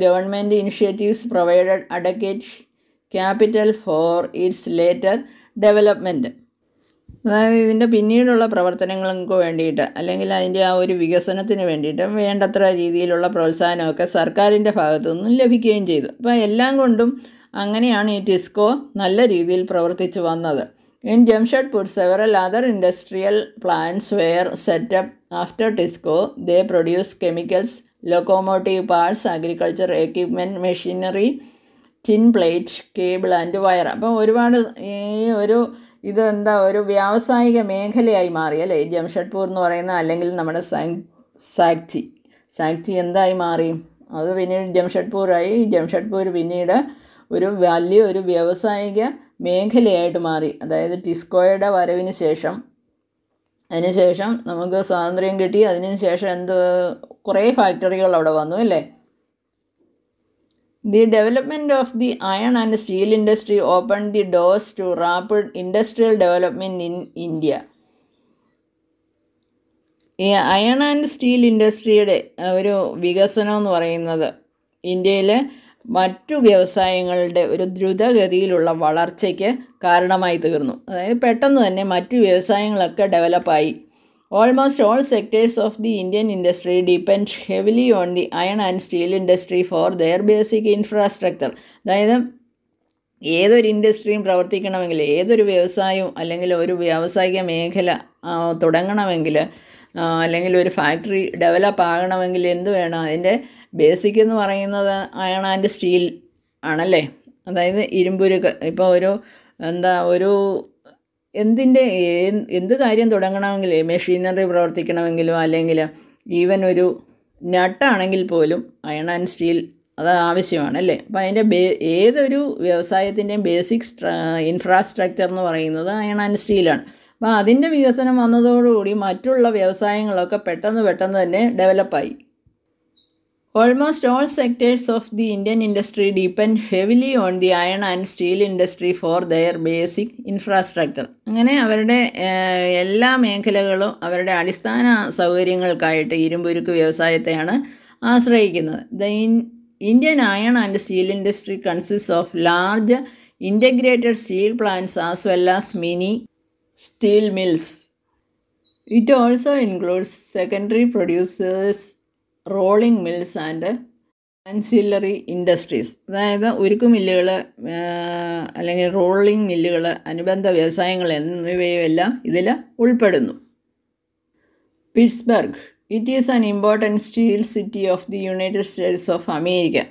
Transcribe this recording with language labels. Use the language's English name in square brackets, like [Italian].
[English] Government initiatives provided adequate capital for its later development. [Malayalam] അതായത് ഇതിൻ്റെ പിന്നീടുള്ള പ്രവർത്തനങ്ങൾക്ക് വേണ്ടിയിട്ട്, അല്ലെങ്കിൽ അതിൻ്റെ ആ ഒരു വികസനത്തിന് വേണ്ടിയിട്ട് വേണ്ടത്ര രീതിയിലുള്ള പ്രോത്സാഹനമൊക്കെ സർക്കാരിൻ്റെ ഭാഗത്തുനിന്നും ലഭിക്കുകയും ചെയ്തു. അപ്പോൾ എല്ലാം കൊണ്ടും അങ്ങനെയാണ് ഈ ടിസ്കോ നല്ല രീതിയിൽ പ്രവർത്തിച്ചു വന്നത്. [English] In Jamshedpur, several other industrial plants were set up after TISCO. They produce chemicals, locomotive parts, agriculture equipment, machinery, tin plate, cable and wire. [Malayalam] അപ്പോൾ ഒരുപാട് ഈ ഒരു ഇത് എന്താ ഒരു വ്യാവസായിക മേഖലയായി മാറി അല്ലേ ജംഷഡ്പൂർ എന്ന് പറയുന്ന, അല്ലെങ്കിൽ നമ്മുടെ സാക്ചി. സാക്ചി എന്തായി മാറി? അത് പിന്നീട് ജംഷഡ്പൂരായി. ജംഷഡ്പൂർ പിന്നീട് ഒരു വലിയൊരു വ്യാവസായിക മേഖലയായിട്ട് മാറി. അതായത് ടിസ്കോയുടെ വരവിന് ശേഷം, അതിനുശേഷം നമുക്ക് സ്വാതന്ത്ര്യം കിട്ടി. അതിനുശേഷം എന്ത് കുറേ ഫാക്ടറികൾ അവിടെ വന്നു അല്ലേ. [English] The development of the iron and steel industry opened the doors to rapid industrial development in India. [Malayalam] Iron and steel industry-യുടെ ഒരു വികസനം എന്ന് പറയുന്നത് ഇന്ത്യയിലെ മറ്റു വ്യവസായങ്ങളുടെ ഒരു ദ്രുതഗതിയിലുള്ള വളർച്ചയ്ക്ക് കാരണമായി തീർന്നു. അതായത് പെട്ടെന്ന് തന്നെ മറ്റു വ്യവസായങ്ങളൊക്കെ ഡെവലപ്പായി. [English] Almost all sectors of the Indian industry depend heavily on the iron and steel industry for their basic infrastructure. [Malayalam] അതായത് ഏതൊരു ഇൻഡസ്ട്രിയും പ്രവർത്തിക്കണമെങ്കിൽ, ഏതൊരു വ്യവസായവും അല്ലെങ്കിൽ ഒരു വ്യാവസായിക മേഖല തുടങ്ങണമെങ്കിൽ, അല്ലെങ്കിൽ ഒരു ഫാക്ടറി ഡെവലപ്പ് ആകണമെങ്കിൽ എന്ത് വേണം? അതിൻ്റെ ബേസിക് എന്ന് പറയുന്നത് അയൺ ആൻഡ് സ്റ്റീൽ ആണല്ലേ. അതായത് ഇരുമ്പുരുക്ക്. ഇപ്പോൾ ഒരു എന്താ ഒരു എന്തിൻ്റെ എന്ത് കാര്യം തുടങ്ങണമെങ്കിലും, മെഷീനറി പ്രവർത്തിക്കണമെങ്കിലും, അല്ലെങ്കിൽ ഈവൻ ഒരു നട്ടാണെങ്കിൽ പോലും അയൺ ആൻഡ് സ്റ്റീൽ അത് ആവശ്യമാണല്ലേ. അപ്പോൾ അതിൻ്റെ ഏതൊരു വ്യവസായത്തിൻ്റെയും ബേസിക് ഇൻഫ്രാസ്ട്രക്ചർ എന്ന് പറയുന്നത് അയൺ ആൻഡ് സ്റ്റീലാണ്. അപ്പോൾ അതിൻ്റെ വികസനം വന്നതോടുകൂടി മറ്റുള്ള വ്യവസായങ്ങളൊക്കെ പെട്ടെന്ന് പെട്ടെന്ന് തന്നെ ഡെവലപ്പായി. [English] Almost all sectors of the Indian industry depend heavily on the iron and steel industry for their basic infrastructure. [Malayalam] അങ്ങനെ അവരുടെ എല്ലാ മേഖലകളും അവരുടെ അടിസ്ഥാന സൗകര്യങ്ങൾക്കായിട്ട് ഇരുമ്പുരുക്ക് വ്യവസായത്തെയാണ് ആശ്രയിക്കുന്നത്. [English] The Indian iron and steel industry consists of large integrated steel plants as well as mini steel mills. It also includes secondary producers, rolling mills and ancillary industries. [Malayalam] അതായത് ഉരുക്കു മില്ലുകൾ അല്ലെങ്കിൽ റോളിംഗ് മില്ലുകൾ, അനുബന്ധ വ്യവസായങ്ങൾ എന്നിവയെല്ലാം ഇതിൽ ഉൾപ്പെടുന്നു. Pittsburgh. [English] It is an important steel city of the United States of America.